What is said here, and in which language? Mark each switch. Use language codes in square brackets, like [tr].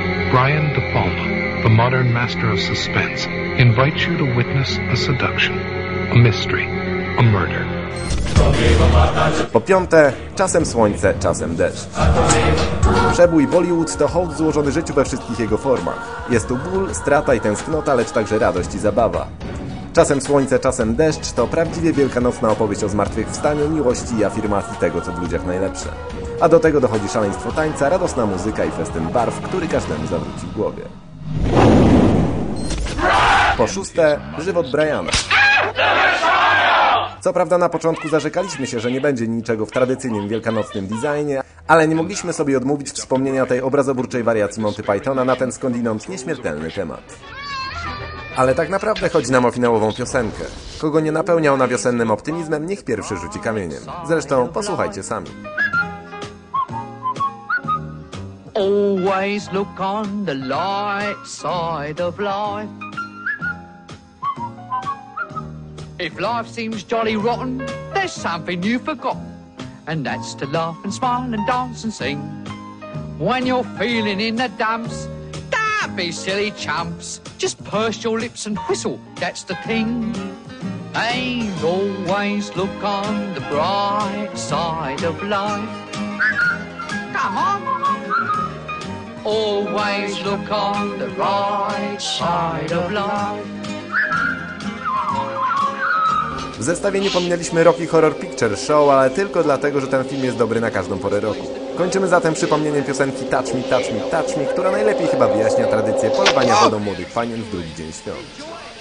[en] Brian De Palma, the modern master of suspense, invites you to witness a seduction, a mystery, a murder. [pl] Po piąte, czasem słońce, czasem deszcz. Przebój Bollywood to hołd złożony życiu we wszystkich jego formach. Jest tu ból, strata i tęsknota, lecz także radość i zabawa. Czasem słońce, czasem deszcz to prawdziwie wielkanocna opowieść o zmartwychwstaniu, miłości i afirmacji tego, co w ludziach najlepsze. A do tego dochodzi szaleństwo tańca, radosna muzyka i festyn barw, który każdemu zawróci w głowie. Po szóste, żywot Briana. Co prawda na początku zarzekaliśmy się, że nie będzie niczego w tradycyjnym wielkanocnym designie, ale nie mogliśmy sobie odmówić wspomnienia tej obrazoburczej wariacji Monty Pythona na ten skądinąd nieśmiertelny temat. Ale tak naprawdę chodzi nam o finałową piosenkę. Kogo nie napełnia ona wiosennym optymizmem, niech pierwszy rzuci kamieniem. Zresztą posłuchajcie sami. [en] Always look on the light side of life. If life seems jolly rotten, there's something you forgot, and that's to laugh and smile and dance and sing. When you're feeling in the dumps, don't be silly chumps, just purse your lips and whistle, that's the thing. And always look on the bright side of life. Come on! Always look on the bright side of life. [pl] W zestawieniu pominęliśmy Rocky Horror Picture Show, ale tylko dlatego, że ten film jest dobry na każdą porę roku. Kończymy zatem przypomnieniem piosenki Touch Me, Touch Me, Touch Me, która najlepiej chyba wyjaśnia tradycję polewania wodą młodych panien w drugi dzień świąt.